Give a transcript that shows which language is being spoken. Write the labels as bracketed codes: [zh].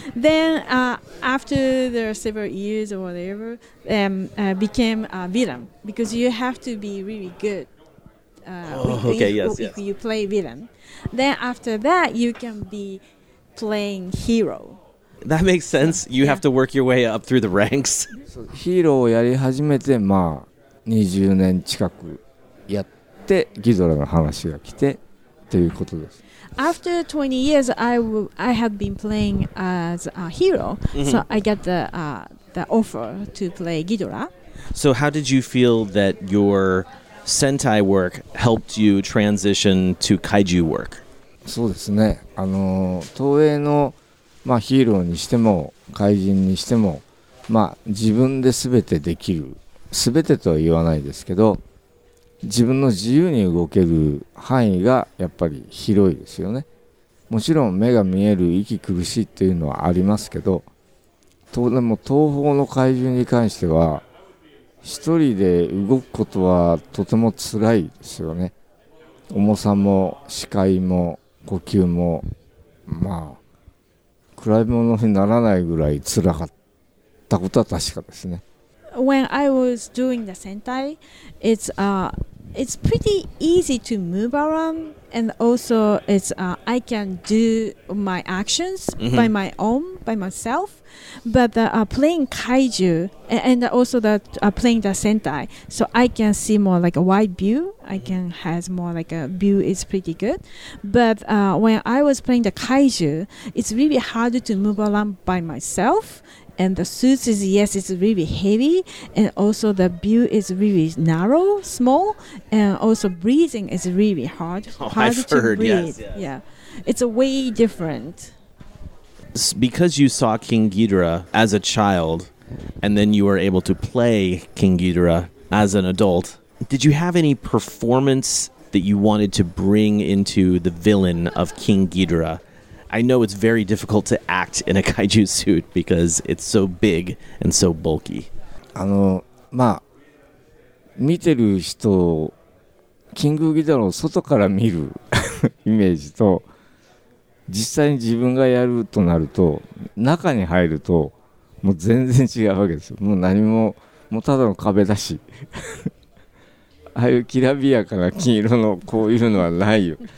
[en] Then after the several years or whatever, became a villain because you have to be really good. If you play villain. Then after that, you can be... playing hero. That makes sense. You have to work your way up through the ranks. [ja] ヒーローをやり始めて、まあ、20年近くやって、ギドラの話が来て、ということです。 [en] After 20 years, I have been playing as a hero. So I got the offer to play Ghidorah. So how did you feel that your Sentai work helped you transition to Kaiju work? [ja] そうですね。東映の、まあ、ヒーローにしても怪人にしても、まあ、自分で全てできる、全てとは言わないですけど、自分の自由に動ける範囲がやっぱり広いですよね。もちろん目が見える息苦しいっていうのはありますけど、でも東方の怪人に関しては一人で動くことはとても辛いですよね。重さも視界も呼吸もまあ暗いものにならないぐらい辛かったことは確かですね。 [en] When I was doing the Sentai, it's pretty easy to move around, and also it's I can do my actions by my own, by myself. But the playing kaiju and also the playing the Sentai, so I can see more like a wide view. I can has more like a view is pretty good. But when I was playing the kaiju, it's really hard to move around by myself. And the suit is, yes, it's really heavy. And also the view is really narrow, small. And also breathing is really hard. Oh, hard I've to heard, breathe. Yes, yes. Yeah. It's a way different. Because you saw King Ghidorah as a child, and then you were able to play King Ghidorah as an adult, did you have any performance that you wanted to bring into the villain of King Ghidorah? I know it's very difficult to act in a kaiju suit because it's so big and so bulky. [ja] あの、まあ、見てる人をキングギドラを外から見るイメージと実際に自分がやるとなると中に入るともう全然違うわけですよ。もう何も、もうただの壁だし。ああいうきらびやかな金色のこういうのはないよ。